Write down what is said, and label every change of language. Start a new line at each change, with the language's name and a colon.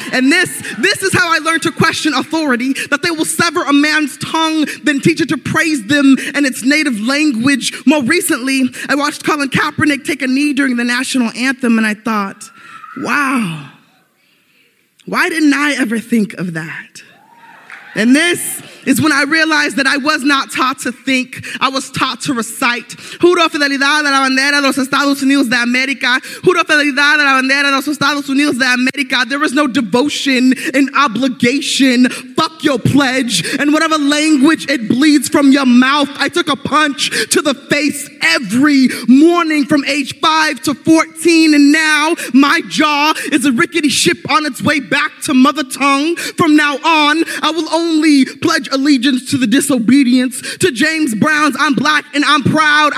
English: And this is how I learned to question authority, that they will sever a man's tongue, then teach it to praise them in its native language. More recently, I watched Colin Kaepernick take a knee during the national anthem, and I thought, wow, why didn't I ever think of that? And this is when I realized that I was not taught to think. I was taught to recite.
Spanish: Juro fidelidad a la bandera de los Estados Unidos de América. Juro fidelidad a la bandera de los Estados Unidos de América.
English: There was no devotion and obligation. Fuck your pledge. And whatever language it bleeds from your mouth, I took a punch to the face every morning from age 5 to 14. And now my jaw is a rickety ship on its way back to mother tongue. From now on, I will only pledge allegiance to the disobedience, to James Brown's I'm black and I'm proud.